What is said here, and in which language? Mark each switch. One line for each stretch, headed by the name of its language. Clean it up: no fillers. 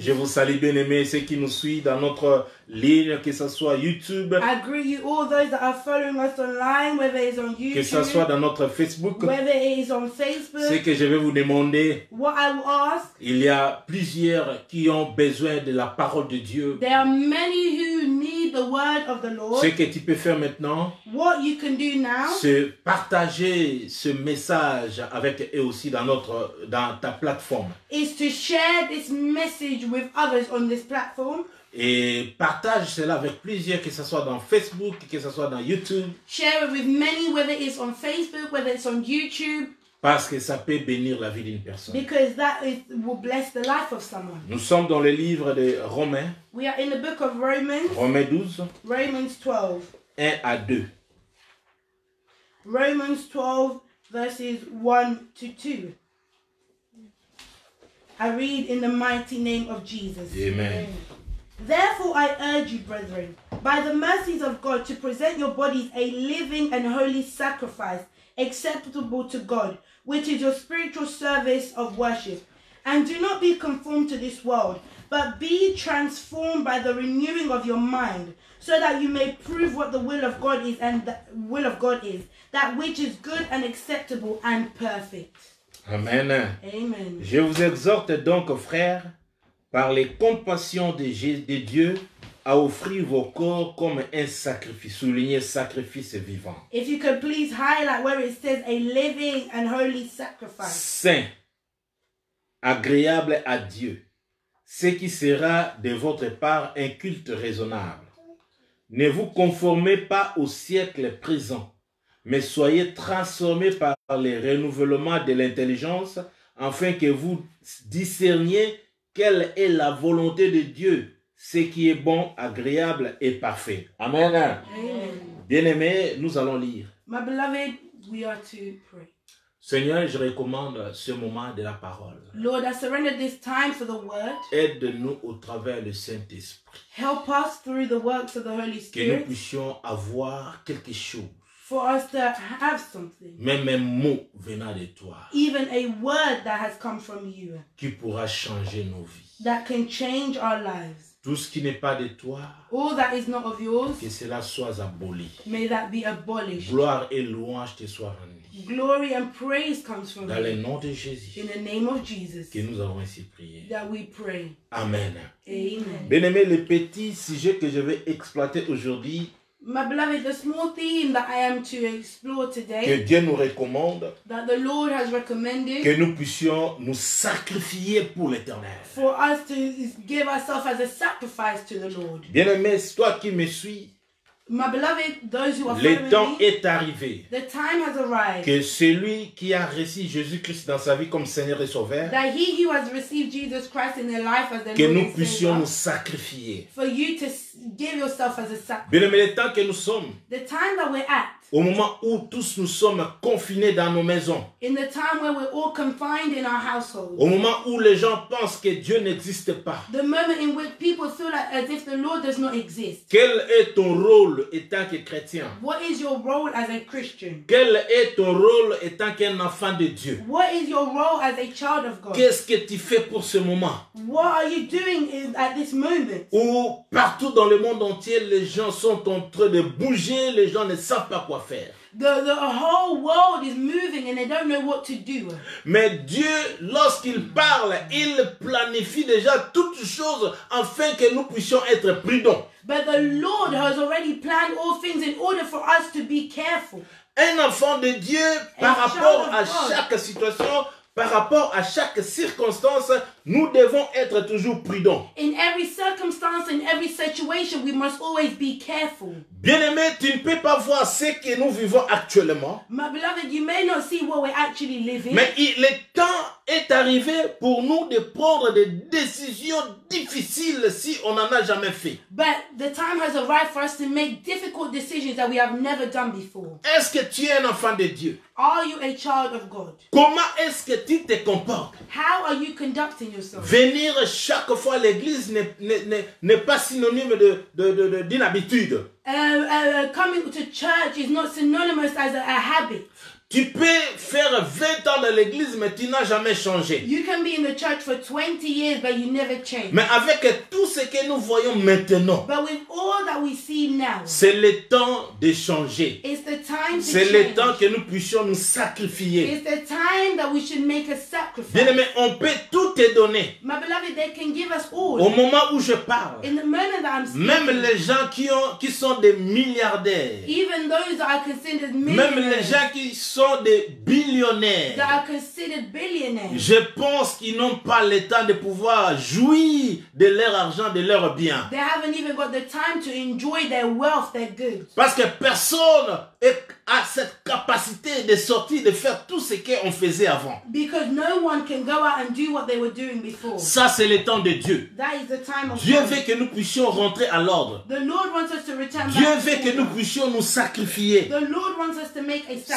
French: Je vous salue, bien-aimés, ceux qui nous suivent dans notre ligne, que ce soit YouTube.
English: I greet you all those that are following us online, whether it's on YouTube.
French: Que ce soit dans notre Facebook.
English: Whether it is on Facebook.
French: Ce que je vais vous demander.
English: What I will ask.
French: Il y a plusieurs qui ont besoin de la parole de Dieu.
English: There are many who need the word of the Lord,
French: ce que tu peux faire maintenant,
English: what you can do now,
French: c'est partager ce message avec et aussi dans notre dans ta plateforme.
English: Is to share this message with others on this platform.
French: Et partage cela avec plusieurs, que ce soit dans Facebook, que ce soit dans YouTube.
English: Share it with many, whether it's on Facebook, whether it's on YouTube.
French: Parce que ça peut bénir la vie d'une personne.
English: Because that is, will bless the life of someone.
French: Nous sommes dans le livre de Romains.
English: We are in the book of Romans.
French: Romains 12.
English: Romans 12.
French: 1 à 2.
English: Romans 12, verses 1 to 2. I read in the mighty name of Jesus. Amen. Therefore, I urge you, brethren, by the mercies of God, to present your bodies a living and holy sacrifice, acceptable to God, which is your spiritual service of worship. And do not be conformed to this world, but be transformed by the renewing of your mind, so that you may prove what the will of God is, and the will of God is, that which is good and acceptable and perfect. Amen. Amen.
French: Je vous exhorte donc, frères, par les compassions de Dieu, à offrir vos corps comme un sacrifice, souligner sacrifice vivant.
English: If you could please highlight where it says a living and holy sacrifice.
French: Saint, agréable à Dieu, ce qui sera de votre part un culte raisonnable. Ne vous conformez pas au siècle présent, mais soyez transformés par les renouvellements de l'intelligence, afin que vous discerniez quelle est la volonté de Dieu, ce qui est bon, agréable et parfait. Amen. Amen. Bien-aimés, nous allons lire.
English: My beloved, we are to pray.
French: Seigneur, je recommande ce moment de la parole.
English: Lord, I surrender this time for the word.
French: Aide-nous au travers le Saint-Esprit.
English: Help us through the works of the Holy Spirit.
French: Que nous puissions avoir quelque chose.
English: For us to have something.
French: Même un mot venant de toi.
English: Even a word that has come from you.
French: Qui pourra changer nos vies.
English: That can change our lives.
French: Tout ce qui n'est pas de toi.
English: All that is not of yours.
French: Que cela soit aboli.
English: May that be abolished.
French: Gloire et louange te soient rendues.
English: Glory and praise comes from you.
French: Dans le nom de Jésus.
English: In the name of Jesus.
French: Que nous avons ainsi prié.
English: That we pray.
French: Amen.
English: Amen.
French: Bien-aimé, le petit sujet que je vais exploiter aujourd'hui.
English: My beloved, the small theme that I am to explore today,
French: que Dieu nous recommande,
English: that the Lord has recommended,
French: que nous puissions nous sacrifier pour l'Éternel,
English: for us to give ourselves as a sacrifice to the Lord.
French: Bien-aimé, toi qui me suis,
English: my beloved, those who are
French: le
English: following
French: temps
English: me,
French: est arrivé,
English: the time has arrived,
French: que celui qui a reçu Jésus-Christ dans sa vie comme Seigneur et Sauveur,
English: that he who has received Jesus Christ in their life as their Lord,
French: que nous puissions nous sacrifier,
English: for you to give yourself as a sacrifice.
French: Bien-aimé, le temps que nous sommes,
English: the time that we're at,
French: au moment où tous nous sommes confinés dans nos maisons,
English: in the time where we're all confined in our households,
French: au moment où les gens pensent que Dieu n'existe pas,
English: the moment in which people feel like, as if the Lord does not exist,
French: quel est ton rôle étant que chrétien,
English: what is your role as a Christian,
French: quel est ton rôle étant qu'un enfant de Dieu,
English: what is your role as a child of God,
French: qu'est-ce que tu fais pour ce moment,
English: what are you doing at this moment,
French: où partout dans le monde entier les gens sont en train de bouger, les gens ne savent pas quoi faire.
English: The whole world is moving and they don't know what to do.
French: Mais Dieu, lorsqu'il parle, il planifie déjà toutes choses afin que nous puissions être prudents.
English: But the Lord has already planned all things in order for us to be careful.
French: Un enfant de Dieu, par rapport à chaque situation, par rapport à chaque circonstance, nous devons être toujours prudents.
English: In every circumstance, in every situation, we must always be careful.
French: Bien-aimé, tu ne peux pas voir ce que nous vivons actuellement.
English: My beloved, you may not see what we're actually living.
French: Mais le temps est arrivé pour nous de prendre des décisions difficiles si on n'en a jamais fait.
English: But the time has arrived for us to make difficult decisions that we have never done before.
French: Est-ce que tu es un enfant de Dieu?
English: Are you a child of God?
French: Comment est-ce que tu te comportes?
English: How are you conducting yourself?
French: Venir chaque fois à l'église n'est pas synonyme d'inhabitude.
English: Coming to church is not synonymous as a habit.
French: Tu peux faire 20 ans dans l'église, mais tu n'as jamais changé.
English: You can be in the church for 20 years, but you never change.
French: Mais avec tout ce que nous voyons maintenant,
English: but with all that we see now,
French: c'est le temps de changer.
English: It's the time to
French: c'est
English: change.
French: Le temps que nous puissions nous sacrifier.
English: It's the time that we should make a sacrifice.
French: Bien aimé, on peut tout te donner.
English: My beloved, they can give us all.
French: Au moment où je parle,
English: in the moment that I'm speaking,
French: même les gens qui sont des milliardaires,
English: even those that are considered millionaires,
French: même les gens qui sont des billionnaires,
English: that are considered billionaires,
French: je pense qu'ils n'ont pas le temps de pouvoir jouir de leur argent, de leur bien.
English: They haven't even got the time to enjoy their wealth, their goods.
French: Parce que personne a cette capacité de sortir, de faire tout ce qu'on faisait avant.
English: Because no one can go out and do what they were doing before.
French: Ça, c'est le temps de Dieu.
English: That is the time of
French: Dieu
English: God.
French: Veut que nous puissions rentrer à l'ordre.
English: The Lord wants us to return
French: Dieu
English: back
French: veut
English: to
French: que nous puissions nous sacrifier.
English: The Lord wants us to make a sacrifice.